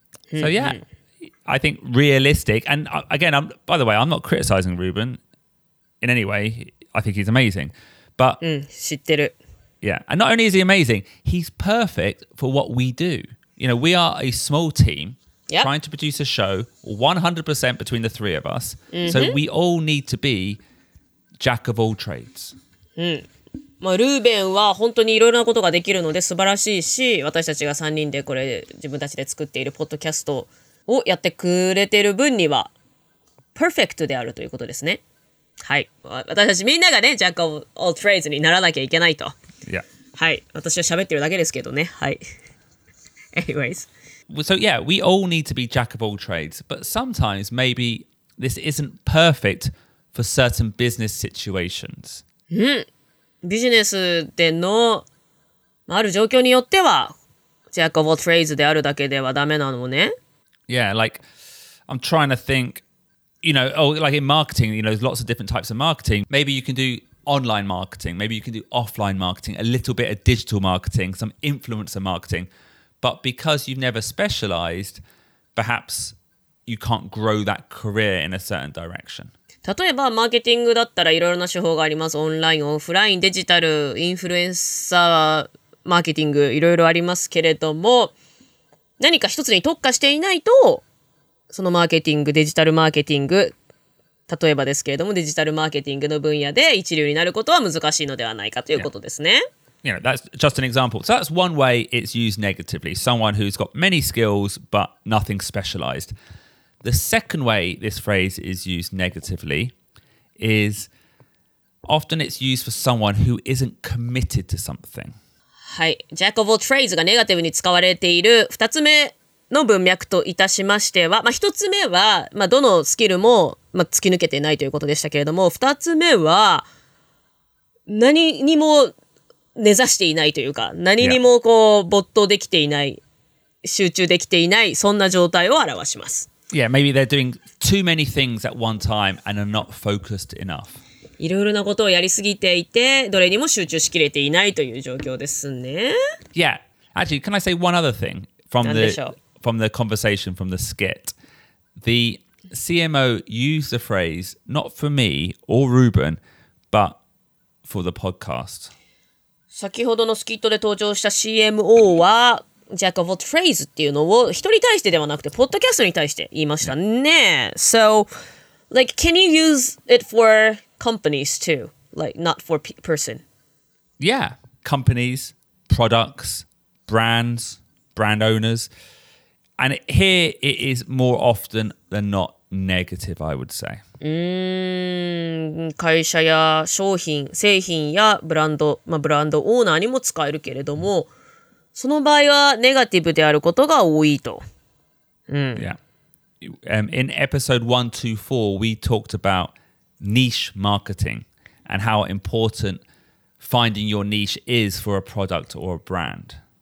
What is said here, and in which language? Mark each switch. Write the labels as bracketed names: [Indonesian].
[English] So yeah, I think realistic, and again, I'm not criticizing Ruben in any way. I think he's amazing, but [Japanese] 知ってる. [English] Yeah, and not only is he amazing, he's perfect for what we do. You know, we are a small team trying to produce a show 100% between the three of us. So we all need to be jack of all trades. [Japanese] まあ、ルーベンは本当にいろいろなことができるので素晴らしいし、私たちが3人でこれ自分たちで作っているポッドキャストをやってくれている分にはパーフェクトであるということですね。はい、私たちみんながね、ジャック・オブ・オール・トレイズにならなきゃいけないと。 [English] Yeah. [Japanese] はい、私は喋ってるだけですけどね。はい。 [English] Anyways. So yeah, we all need to be jack of all trades, but sometimes maybe this isn't perfect for certain business situations. [Japanese] うん。ビジネスでのある状況によっては、jack of all trades であるだけではダメなのね。 [English] Yeah, like, I'm trying to think, you know, oh, like in marketing, you know, there's lots of different types of marketing. Maybe you can do online marketing, maybe you can do offline marketing, a little bit of digital marketing, some influencer marketing. But because you've never specialized, perhaps you can't grow that career in a certain direction. [Japanese] 例えば、マーケティングだったらいろいろな手法があります。オンライン、オフライン、デジタル、インフルエンサー、マーケティング、いろいろありますけれども、何か一つに特化していないと、そのマーケティング、デジタルマーケティング、例えばですけれども、デジタルマーケティングの分野で一流になることは難しいのではないかということですね。 [English] Yeah. You know, that's just an example. So that's one way it's used negatively. Someone who's got many skills, but nothing specialized. The second way this phrase is used negatively is often it's used for someone who isn't committed to something. [Japanese] はい、Jack of all trades がネガティブに使われている2つ目の文脈といたしましては、まあ、1つ目は、まあ、どのスキルも、まあ、突き抜けてないということでしたけれども、2つ目は何にも根ざしていないというか、何にもこう没頭できていない、集中できていない、そんな状態を表します。 [English] Yeah, maybe they're doing too many things at one time and are not focused enough. [Japanese] いろいろなことをやりすぎていて、どれにも集中しきれていないという状況ですね。 [English] Yeah, actually, can I say one other thing from the conversation from the skit? The CMO used the phrase not for me or Ruben, but for the podcast. [Japanese] 先ほどのスキットで登場した CMO は。 Jack of all trades っていうのを人に対してではなくてポッドキャストに対して言いましたね。 [English] So, like, can you use it for companies too? Like, not for person? Yeah, companies, products, brands, brand owners. And here it is more often than not negative, I would say. [Japanese] 会社や商品、製品やブランド、まあ、ブランドオーナーにも使えるけれども、その場合はネガティブであることが多いと。 [English] Yeah. In episode 124, we talked about niche marketing and how important finding your niche is for a product or a brand.